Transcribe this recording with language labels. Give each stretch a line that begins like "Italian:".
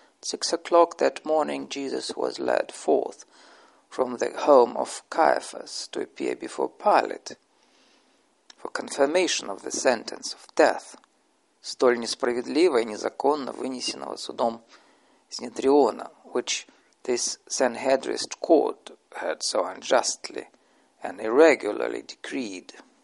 English: At 6:00 that morning Jesus was led forth from the home of Caiaphas to appear before Pilate for confirmation of the sentence of death,
Russian: столь несправедливо и незаконно вынесенного судом Синедриона,
English: which this Sanhedrin court had so unjustly and irregularly decreed.